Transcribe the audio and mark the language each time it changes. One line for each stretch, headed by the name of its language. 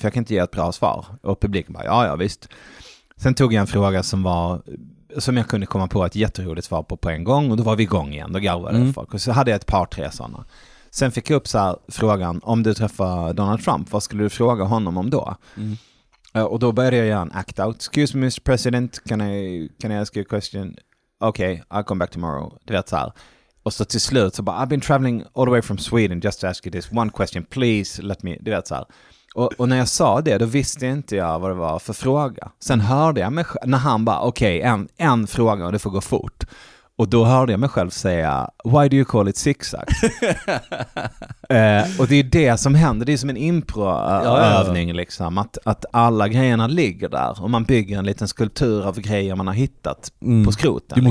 Swedish: För jag kan inte ge ett bra svar. Och publiken bara, ja, ja, visst. Sen tog jag en fråga som var, som jag kunde komma på ett jätteroligt svar på en gång. Och då var vi igång igen. Då garvade folk. Och så hade jag ett par, tre sådana. Sen fick jag upp så här frågan, om du träffar Donald Trump, vad skulle du fråga honom om då? Mm. Och då började jag göra en act out.
English: Excuse me, Mr. President, can I ask you a question? Okay, I'll come back tomorrow.
Swedish: Det vet så här. Och så till slut så bara,
English: I've been traveling all the way from Sweden just to ask you this one question. Please let me,
Swedish: det vet så här. Och när jag sa det, då visste inte jag vad det var för fråga. Sen hörde jag mig själv, när han bara, okej, okay, en fråga och det får gå fort. Och då hörde jag mig själv säga,
English: why do you call it zigzag?
Swedish: Och det är det som händer, det är som en improövning liksom, att alla grejerna ligger där och man bygger en liten skulptur av grejer man har hittat på skroten.